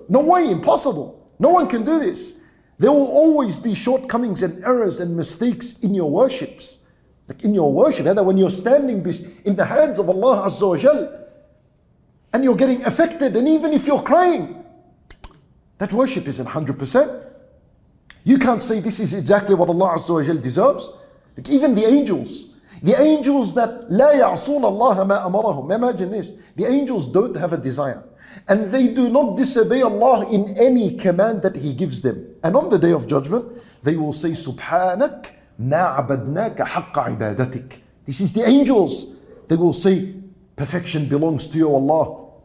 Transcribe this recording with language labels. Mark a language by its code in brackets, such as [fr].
[en] No way, impossible. No one can do this. There will always be shortcomings and errors and mistakes in your worships. Like in your worship, either when you're standing in the hands of Allah Azza wa Jal and you're getting affected, and even if you're crying, that worship isn't 100%. You can't say this is exactly what Allah Azza wa Jal deserves. Like even the angels. The angels that [ar] لَا يَعْصُونَ اللَّهَ مَا أَمَرَهُمْ. [en] Imagine this. The angels don't have a desire. And they do not disobey Allah in any command that He gives them. And on the Day of Judgment, they will say [ar] سُبْحَانَكْ مَا عَبَدْنَاكَ حَقَّ عِبَادَتِكَ. [en] This is the angels. They will say, perfection belongs to you, Allah.